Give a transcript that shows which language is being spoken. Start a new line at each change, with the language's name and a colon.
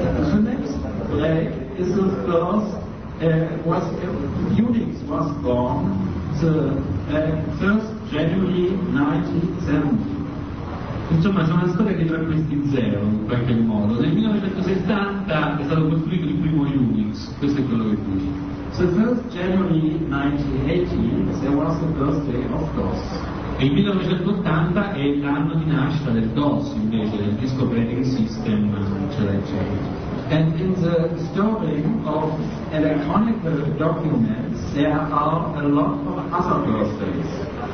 English: The next play is of course, Unix was born the 1st January 1970.
Italian: Insomma, c'è una storia di tre questi zero, in qualche modo. Nel 1970 è stato costruito il primo Unix, questo è quello che dice.
English: The 1st January 1980, there was the birthday of DOS.
Italian: E il 1980 è l'anno di nascita del DOS, invece, del Disk Operating System, eccetera.
English: And in the storing of electronic documents, there are a lot of other birthdays.